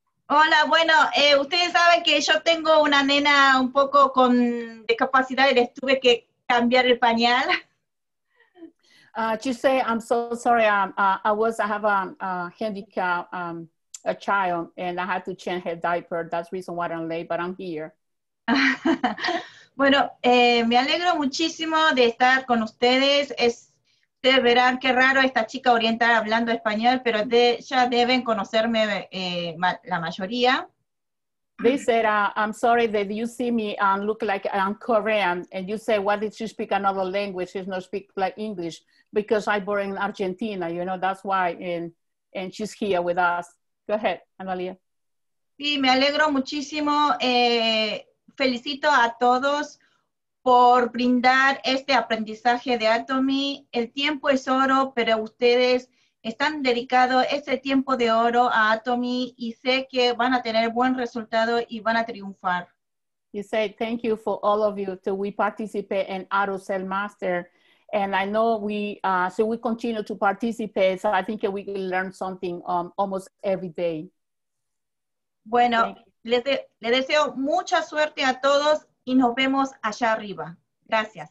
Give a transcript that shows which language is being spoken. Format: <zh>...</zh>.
<es>Hola, bueno, ustedes saben que yo tengo una nena un poco con discapacidad y les tuve que cambiar el pañal.</es> <en>She said, I'm so sorry, I have a handicap, a child, and I had to change her diaper. That's the reason why I'm late, but I'm here.</en> <es>Bueno, me alegro muchísimo de estar con ustedes. Ustedes verán qué raro esta chica oriental hablando español, pero ya deben conocerme la mayoría.</es> <en>They said, I'm sorry that you see me and look like I'm Korean. And you say, why did she speak another language? She's not speak like English, because I born in Argentina, you know, that's why. And she's here with us. Go ahead, Analia.</en> <es>Sí, me alegro muchísimo. Felicito a todos por brindar este aprendizaje de Atomy. El tiempo es oro, pero ustedes están dedicados ese tiempo de oro a Atomy y sé que van a tener buen resultado y van a triunfar.</es> <en>You say thank you for all of you to we participate in Auto Cell Master. And I know we continue to participate. So I think we can learn something almost every day.</en> <es>Bueno, le deseo mucha suerte a todos y nos vemos allá arriba. Gracias.</es>